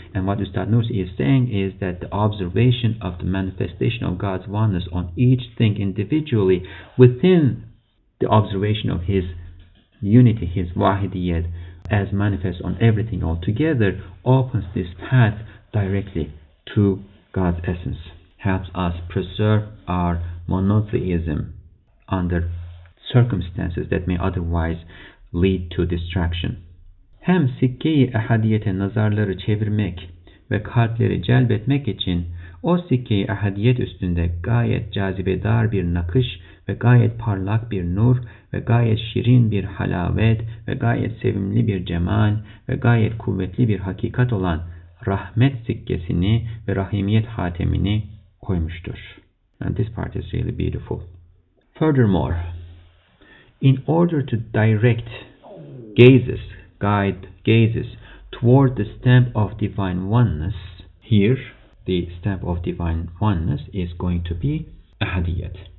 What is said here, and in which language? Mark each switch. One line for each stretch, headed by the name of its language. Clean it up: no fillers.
English: And what Ustad Nursi is saying is that the observation of the manifestation of God's oneness on each thing individually, within the observation of His unity, His wahidiyat, as manifest on everything altogether, opens this path directly to God's essence, helps us preserve our monotheism under circumstances that may otherwise lead to distraction.
Turkish: Hem sikkeyi ahadiyete nazarları çevirmek ve kalpleri celbetmek için o sikkeyi ahadiyet üstünde gayet cazibedar bir nakış ve gayet parlak bir nur ve gayet şirin bir halavet ve gayet sevimli bir cemal ve gayet kuvvetli bir hakikat olan rahmet sikkesini ve rahimiyet hatemini koymuştur.
English: And this part is really beautiful. Furthermore, in order to direct gazes, guide gazes toward the stamp of divine oneness, here the stamp of divine oneness is going to be ahadiyat.